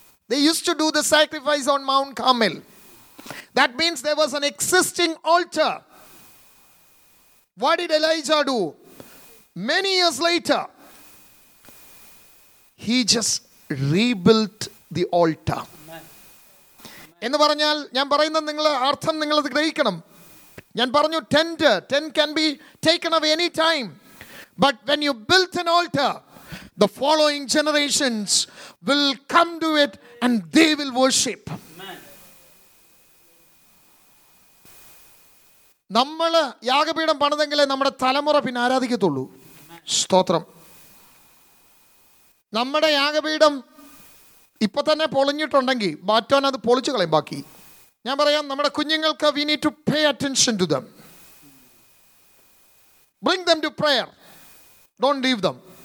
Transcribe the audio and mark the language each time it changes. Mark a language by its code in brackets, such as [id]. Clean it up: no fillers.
[en] They used to do the sacrifice on Mount Carmel. That means there was an existing altar. What did Elijah do? Many years later, he just rebuilt the altar. [ml] എന്ന് പറഞ്ഞാൽ ഞാൻ പറയുന്ന നിങ്ങളെ അർത്ഥം നിങ്ങൾ അത് ഗ്രഹിക്കണം. ഞാൻ പറഞ്ഞു [en] tent can be taken away any time. But when you built an altar, the following generations will come to it and they will worship. [ml] നമ്മൾ യാഗപീഠം പണിതെങ്കിലേ നമ്മുടെ തലമുറ പിന്നെ ആരാധിക്കത്തുള്ളൂ. സ്തോത്രം. നമ്മുടെ യാഗപീഠം ഇപ്പൊ തന്നെ പൊളിഞ്ഞിട്ടുണ്ടെങ്കിൽ മാറ്റാൻ അത് പൊളിച്ചു കളയും. ബാക്കി ഞാൻ പറയാം, നമ്മുടെ കുഞ്ഞുങ്ങൾക്ക് [en] We need to pay attention to them, bring them to prayer, don't leave them.